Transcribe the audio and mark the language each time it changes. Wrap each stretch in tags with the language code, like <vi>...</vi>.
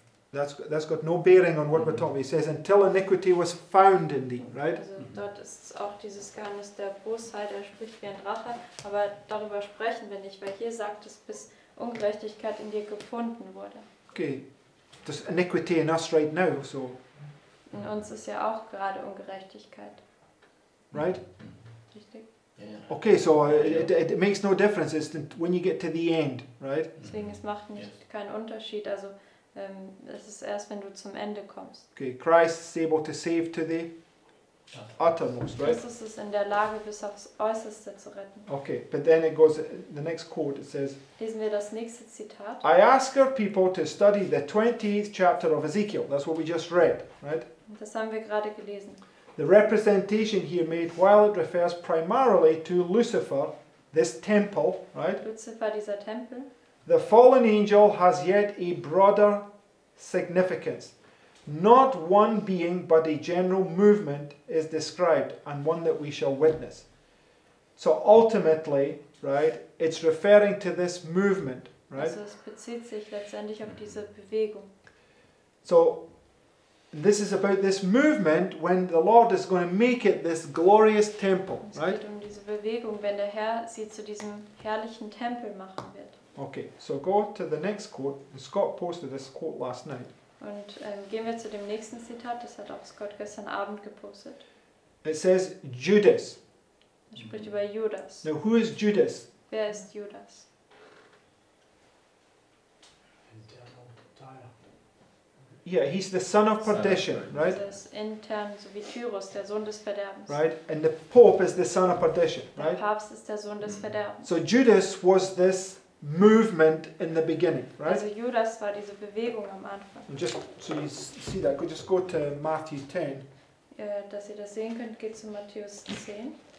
<en>That's got no bearing on what we're talking about. He says, until iniquity was found in thee, right?</en> <de>Dort ist auch dieses Geheimnis der Bosheit, er spricht wie ein Drache, aber darüber sprechen wir nicht, weil hier sagt es, bis Ungerechtigkeit in dir gefunden wurde.</de> <en>Okay, there's iniquity in us right now, so.</en> <de>In uns ist ja auch gerade Ungerechtigkeit.</de> <en>Right?</en> <de>Richtig.</de> <en>Yeah. Okay, so it makes no difference. It's when you get to the end, right?</en> <de>Deswegen es macht nicht keinen Unterschied. Also es ist erst, wenn du zum Ende kommst.</de> <en>Okay, Christ is able to save to the uttermost, right?</en> <de>Jesus ist in der Lage, bis aufs Äußerste zu retten.</de> <en>Okay, but then it goes the next quote. It says.</en> <de>Lesen wir das nächste Zitat.</de> <en>I ask our people to study the 20th chapter of Ezekiel. That's what we just read, right?</en> <de>Das haben wir gerade gelesen.</de> <en>The representation here made, while it refers primarily to Lucifer, this temple, right?</en> <de>Lucifer, dieser Tempel.</de> <en>The fallen angel has yet a broader significance. Not one being, but a general movement is described, and one that we shall witness. So ultimately, right, it's referring to this movement, right?</en> <de>Also es bezieht sich letztendlich auf diese Bewegung.</de> <en>So, this is about this movement when the Lord is going to make it this glorious temple, right?</en> <de>Es geht um diese Bewegung, wenn der Herr sie zu diesem herrlichen Tempel machen wird.</de> <en>Okay, so go to the next quote. Scott posted this quote last night.</en> <de>Und gehen wir zu dem nächsten Zitat, das hat auch Scott gestern Abend gepostet.</de> <en>It says Judas.</en> <de>Es spricht über Judas.</de> <en>Now who is Judas?</en> <de>Wer ist Judas? Der Teil der</de> <en>Yeah, he's the son of perdition, right? In terms of</en> <de>Tyrus, der Sohn des Verderbens.</de> <en>Right, and the Pope is the son of perdition, right?</en> <de>Der Papst ist der Sohn des Verderbens.</de> <en>So Judas was this movement in the beginning, right?</en> <de>Also Judas war diese Bewegung am Anfang.</de> <en>And just so you see that, could just go to Matthew 10.</en> <de>Dass ihr das sehen könnt, geht zu Matthäus 10.</de>